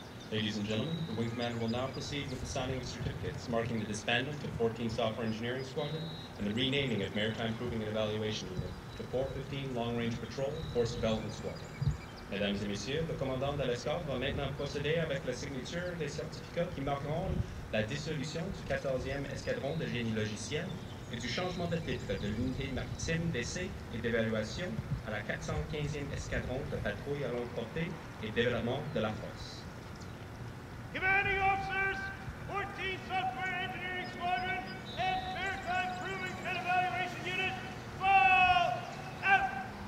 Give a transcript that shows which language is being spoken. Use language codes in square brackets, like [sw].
[en] Ladies and gentlemen, the Wing Commander will now proceed with the signing of certificates marking the disbandment of 14 Software Engineering Squadron and the renaming of Maritime Proving and Evaluation Unit to 415 Long Range Patrol Force Development Squadron. [fr] Mesdames et Messieurs, le commandant de l'escorte va maintenant procéder avec la signature des certificats qui marqueront la dissolution du 14e Escadron de Génie Logiciel et du changement de titre de l'unité maritime d'essai et d'évaluation à la 415e Escadron de Patrouille à longue portée et Développement de la Force. [en] Commanding officers, 14 Software Engineering Squadron and Maritime Proving and Evaluation Unit, fall out!